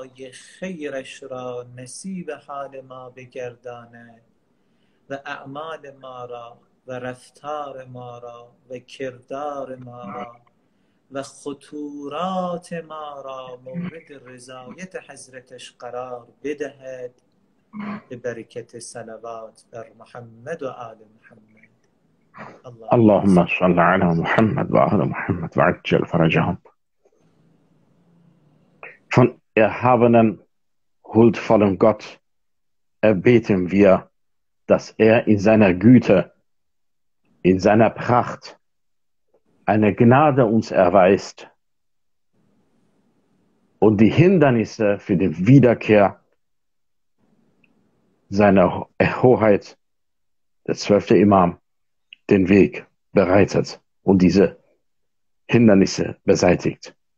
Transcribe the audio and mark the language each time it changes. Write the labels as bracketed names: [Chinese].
[Persian] خیرش را نصیب حال ما بگرداند و اعمال ما را و رفتار ما را و کردار ما را و خطورات ما را مورد رضایت حضرتش قرار بدهد، به برکت صلوات بر محمد و آل محمد. [Arabic] اللهم صل على محمد و آل محمد و عجل فرجهم. [German] Von erhabenen, huldvollen Gott erbeten wir, dass er in seiner Güte, in seiner Pracht eine Gnade uns erweist und die Hindernisse für die Wiederkehr seiner Hoheit, der zwölfte Imam, den Weg bereitet und diese Hindernisse beseitigt.